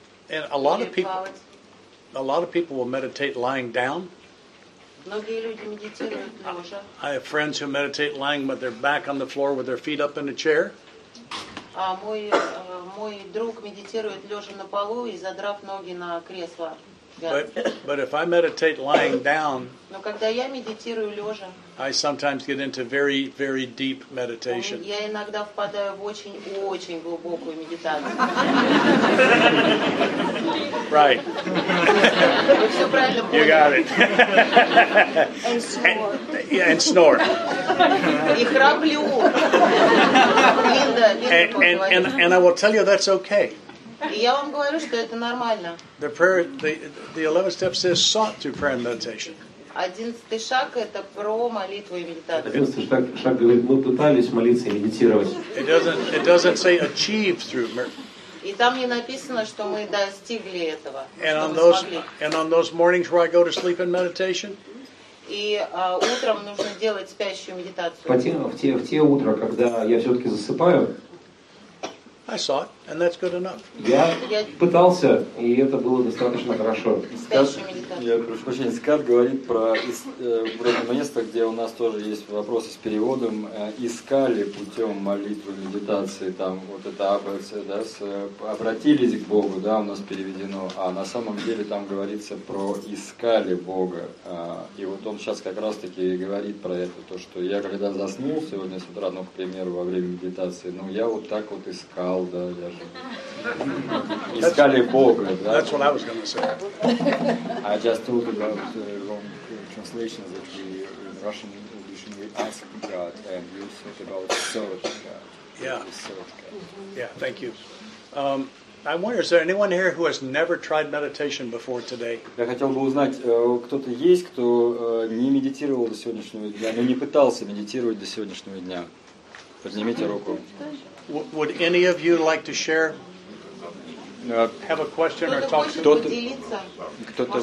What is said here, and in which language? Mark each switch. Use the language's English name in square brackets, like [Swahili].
[English] And a lot of people, will meditate lying down. [Russian] Многие люди медитируют лежа. [English] I have friends who meditate lying with their back on the floor with their feet up in a chair. [Russian] А мой друг медитирует лежа на полу и задрав ноги на кресло. [English] But if I meditate lying down, [Russian] но когда я медитирую лежа, [English] I sometimes get into very, very deep meditation. [Russian] Я иногда впадаю в очень-очень глубокую медитацию. [English] Right. [Russian] Вы все правильно поняли. [English] You got it. And snore. And snore. [Russian] И храплю. [English] And I will tell you that's okay. [Russian] Я вам говорю, что это нормально. [English] The prayer, the 11 steps says sought to prayer and meditation. [Russian] 11 шаг это про молитву и медитацию. 11 шаг говорит, мы пытались молиться и медитировать. [English] It doesn't say achieve through meditation. [Russian] И там не написано, что мы достигли этого. [English] And on those mornings where I go to sleep in meditation. [Russian] И утром нужно делать спящую медитацию. В те утра, когда я все-таки засыпаю. [English] I saw it, and that's good enough. [Russian] Я пытался, и это было достаточно хорошо. Я прошу прощения, Скотт говорит про место, где у нас тоже есть вопросы с переводом. Искали путем молитвы, медитации, там вот это АБЦ, да, обратились к Богу, да, у нас переведено. А на самом деле там говорится про искали Бога. И вот он сейчас как раз-таки говорит про это, то, что я когда заснул сегодня с утра, ну, к примеру, во время медитации, ну, я вот так вот искал. Искали Бога. [English] That's what I was going to say. I just told about the wrong translation that we in Russian English we ask God and you thought about search God. Yeah. Search God. Yeah. Thank you. I wonder, is there anyone here who has never tried meditation before today? [Russian] Я хотел бы узнать, кто-то есть, кто не медитировал до сегодняшнего дня, но не пытался медитировать до сегодняшнего дня. Поднимите руку. [English] Would any of you like to share? Have a question or talk to [Russian] кто-то?